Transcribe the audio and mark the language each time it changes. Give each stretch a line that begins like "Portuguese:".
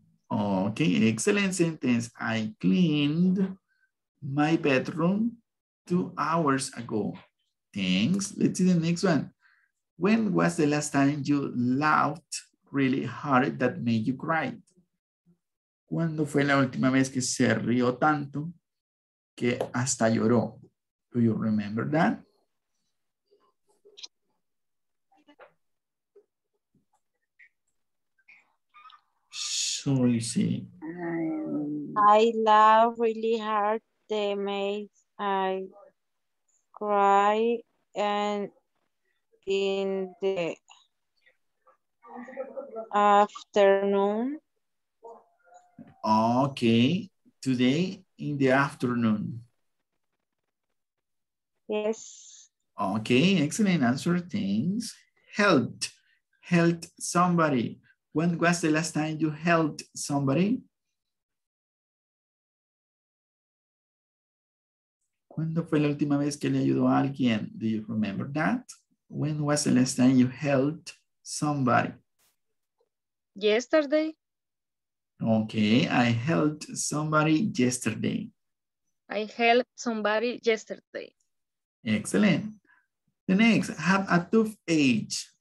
English: Okay, excellent sentence. I cleaned my bedroom 2 hours ago. Thanks. Let's see the next one. When was the last time you laughed really hard that made you cry?
Spanish: ¿Cuándo fue la última vez que se rió tanto que hasta lloró?
English: Do you remember that? So you see. I laugh really hard. They made I cry and in the afternoon. Okay, today in the afternoon. Yes. Okay, excellent answer. Things. Helped somebody. When was the last time you helped somebody?
Spanish: ¿Cuándo fue la última vez que le ayudó a alguien?
English: Do you remember that? When was the last time you helped somebody? Yesterday. Okay, I helped somebody yesterday. I helped somebody yesterday. Excellent. The next, have a toothache.